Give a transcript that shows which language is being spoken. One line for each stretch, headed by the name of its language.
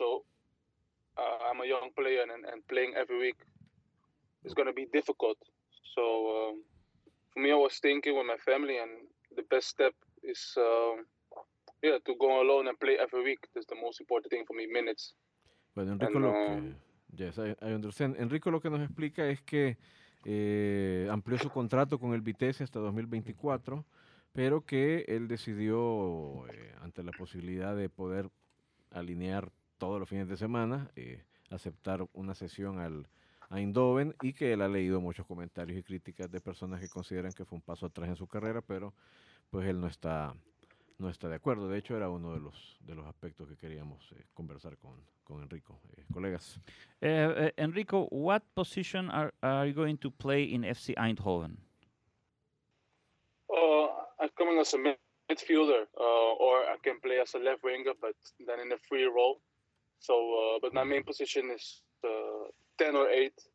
English: So I'm a young player and playing every week is going to be difficult. So for me, I was thinking with my family and the best step is to go alone and play every week. That's the most important thing for me, minutes. Well, Enrico, I understand.
Spanish: Enrico, lo que nos explica es que amplió su contrato con el Vitesse hasta 2024, pero que él decidió, ante la posibilidad de poder alinear todos los fines de semana, aceptar una cesión al Eindhoven, y que él ha leído muchos comentarios y críticas de personas que consideran que fue un paso atrás en su carrera, pero pues él no está de acuerdo. De hecho, era uno de los aspectos que queríamos conversar con Enrico. Colegas.
English: Enrico, what position are you going to play in FC Eindhoven? I'm coming as a midfielder, or I can play as a left winger, but then in a free role. So, but my main position is 10 or 8.